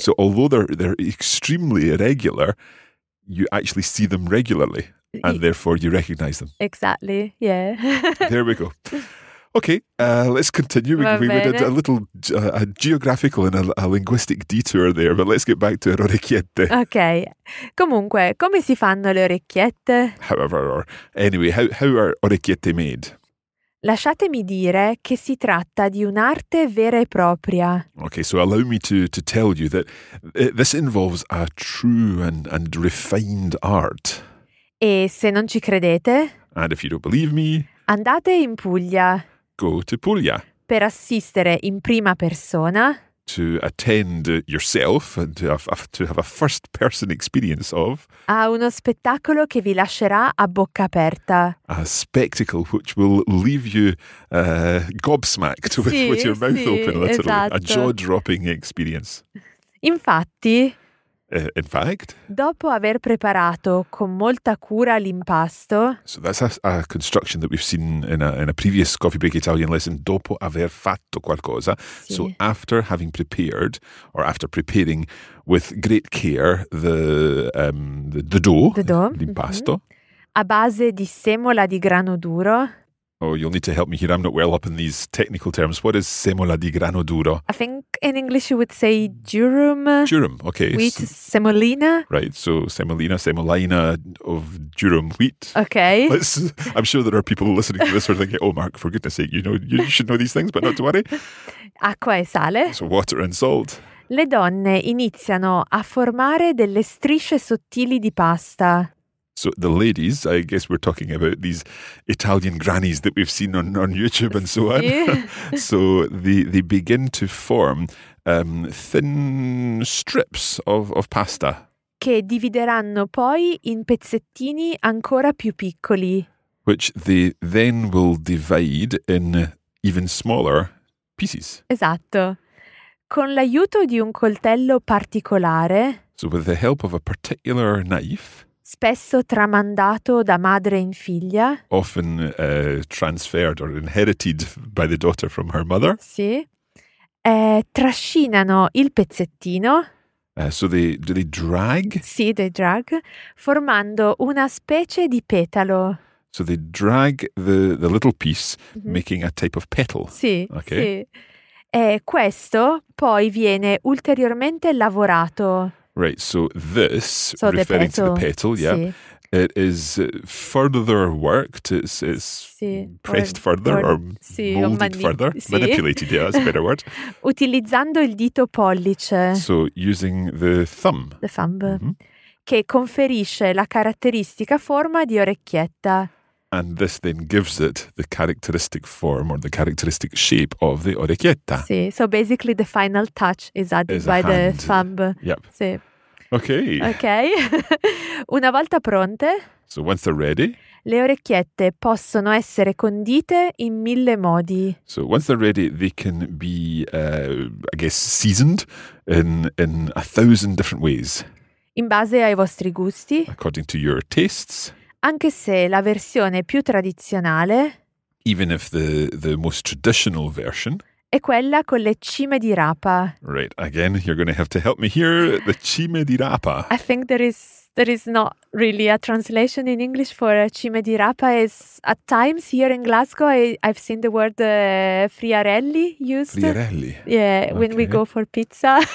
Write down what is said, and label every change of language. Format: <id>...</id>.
<en>So although they're extremely irregular, you actually see them regularly and therefore you recognize them. Exactly, yeah. There we go. Okay, let's continue. We did a little a geographical and a linguistic detour there, but let's get back to our orecchiette. Okay.</en> <it>Comunque, come si fanno le orecchiette?</it> <en>However, or anyway, how are orecchiette made?</en> <it>Lasciatemi dire che si tratta di un'arte vera e propria.</it> <en>Okay, so allow me to tell you that this involves a true and refined art.</en> <it>E se non ci credete?</it> <en>And if you don't believe me?</en> <it>Andate in Puglia.</it> <en>Go to Puglia.</en> <it>Per assistere in prima persona.</it> <en>To attend yourself and to have a first person experience of.</en> <it>A uno spettacolo che vi lascerà a bocca aperta.</it> <en>A spectacle which will leave you gobsmacked with your mouth open, literally.</en> <it>Esatto.</it> <en>A jaw dropping experience.</en> <it>Infatti.</it> <en>In fact,</en> <it>dopo aver preparato con molta cura l'impasto,</it> <en>so that's a construction that we've seen in a previous Coffee Break Italian lesson.</en> <it>Dopo aver fatto qualcosa, sì.</it> <en>So after having prepared or after preparing with great care the dough, the dough,</en> <it>l'impasto, mm-hmm. a base di semola di grano duro.</it> <en>Oh, you'll need to help me here. I'm not well up in these technical terms. What is semola di grano duro? I think in English you would say durum. Durum, okay. Wheat, semolina. Right, so semolina, semolina of durum wheat. Okay. I'm sure there are people listening to this who are thinking, oh, Mark, for goodness sake, you know, you should know these things, but not to worry.</en> <it>Acqua e sale.</it> <en>So water and salt.</en> <it>Le donne iniziano a formare delle strisce sottili di pasta.</it> <en>So the ladies, I guess we're talking about these Italian grannies that we've seen on YouTube and so on. So they begin to form thin strips of pasta.</en> <it>Che divideranno poi in pezzettini ancora più piccoli.</it> <en>Which they then will divide in even smaller pieces.</en> <it>Esatto. Con l'aiuto di un coltello particolare.</it> <en>So with the help of a particular knife.</en> <it>Spesso tramandato da madre in figlia.</it> <en>Often transferred or inherited by the daughter from her mother.</en> <it>Sì. Trascinano il pezzettino.</it> <en>So they drag?</en> <it>Sì,</it> <en>they drag,</en> <it>formando una specie di petalo.</it> <en>So they drag the little piece, mm-hmm. making a type of petal.</en> <it>Sì, okay. Sì. Questo poi viene ulteriormente lavorato.</it> <en>Right, so this, so referring the petal, to the petal, yeah,</en> <it>sì.</it> <en>It is further worked, it's</en> <it>sì,</it> <en>pressed further or</en> <it>sì,</it> <en>molded further,</en> <it>sì.</it> <en>manipulated, yeah, that's a better word.</en> <it>Utilizzando il dito pollice.</it> <en>So using the thumb. The thumb, mm-hmm.</en> <it>che conferisce la caratteristica forma di orecchietta.</it> <en>And this then gives it the characteristic form or the characteristic shape of the orecchietta. Sì, so basically the final touch is added is by hand. The thumb. Yep.</en> <it>Sì.</it> <en>Okay.</en> <it>Okay. Una volta pronte.</it> <en>So once they're ready.</en> <it>Le orecchiette possono essere condite in mille modi.</it> <en>So once they're ready, they can be, I guess, seasoned in a thousand different ways.</en> <it>In base ai vostri gusti.</it> <en>According to your tastes.</en> <it>Anche se la versione più tradizionale,</it> <en>even if the most traditional version,</en> <it>è quella con le cime di rapa.</it> <en>Right, again, you're going to have to help me here. The cime di rapa. I think there is not really a translation in English for cime di rapa. Is at times here in Glasgow, I've seen the word friarelli used. Friarelli. Yeah, okay. When we go for pizza.</en>